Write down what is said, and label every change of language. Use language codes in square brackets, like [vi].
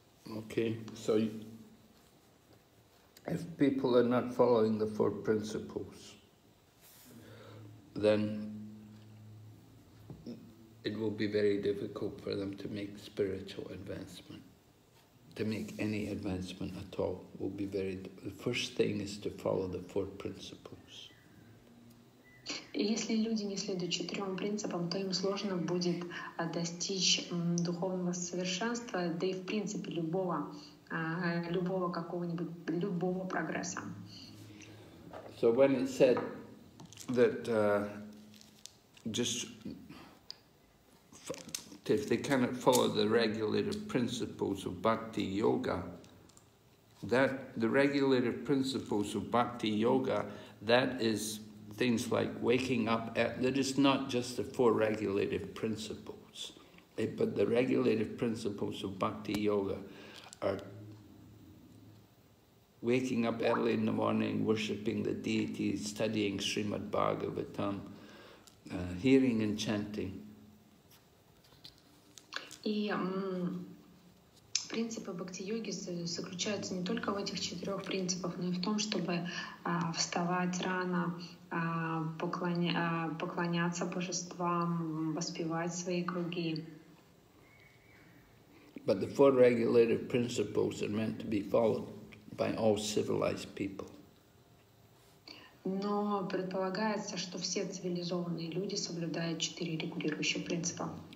[en] Okay, so if people are not following the four principles, then it will be very difficult for them to make spiritual advancement. To make any advancement at all will be very difficult. The first thing is to follow the four principles. [ru] Если люди не следуют четырем принципам, то им сложно будет достичь духовного совершенства, да и в принципе любого какого-нибудь любого прогресса. [en] So when it said that just if they cannot follow the regulative principles of bhakti yoga, that the regulative principles of bhakti yoga, that is things like waking up, that is not just the four regulative principles, but the regulative principles of bhakti yoga are waking up early in the morning, worshipping the deity, studying Srimad Bhagavatam, hearing and chanting. [ru] И принципы бхакти-йоги заключаются не только в этих четырех принципах, но и в том, чтобы вставать рано, поклоняться божествам, воспевать свои круги. [en] But the four regulative principles are meant to be followed by all civilized people. [ru] Но предполагается, что все цивилизованные люди соблюдают четыре регулирующих принципа.